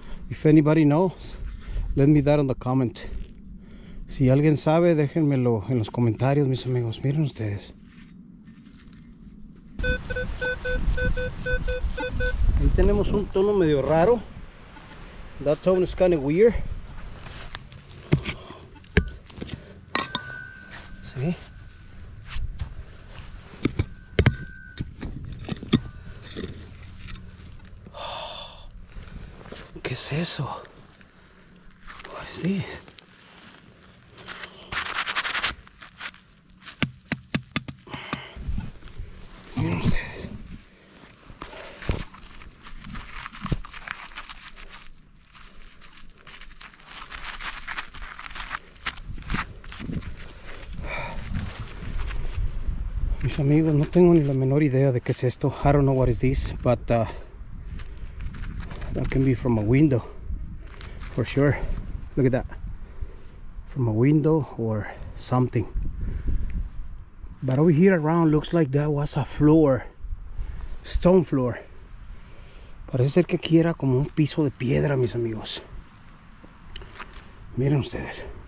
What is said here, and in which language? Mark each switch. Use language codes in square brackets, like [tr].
[en] If anybody knows, let me that in the comment. [es] Si alguien sabe, déjenmelo en los comentarios, mis amigos. Miren ustedes. Ahí tenemos un tono medio raro. [en] That tone is kind of weird. [es] Sí. ¿Qué es eso? [en] What is this? [es] Miren ustedes. Mis amigos, no tengo ni la menor idea de qué es esto. [en] I don't know what is this, but that can be from a window, for sure. Look at that. From a window or something. But over here around looks like that was a floor. Stone floor. [es] Parece ser que aquí era como un piso de piedra, mis amigos. Miren ustedes.